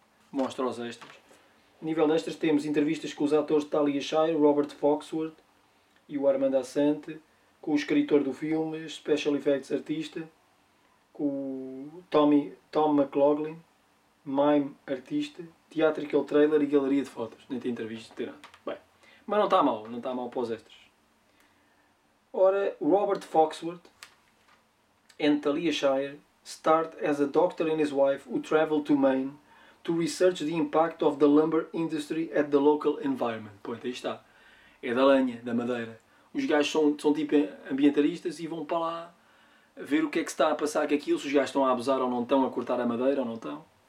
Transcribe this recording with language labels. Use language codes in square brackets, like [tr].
[pt] Mostra os extras. A nível de extras temos entrevistas com os atores de Talia Shire, Robert Foxworth e o Armand Assant, com o escritor do filme, Special Effects Artista, com o Tom McLaughlin, Mime Artista, Theatrical Trailer e Galeria de Fotos. Nem tem entrevista, não tem nada. Bem, mas não está mal, não está mal para os extras. [en] Ora, Robert Foxworth and Talia Shire start as a doctor and his wife who travel to Maine to research the impact of the lumber industry at the local environment. [pt] Pronto, aí está. É da lenha, da madeira. Os gajos são tipo ambientalistas e vão para lá ver o que é que está a passar com aquilo, se os gajos estão a abusar ou não estão, a cortar a madeira ou não estão.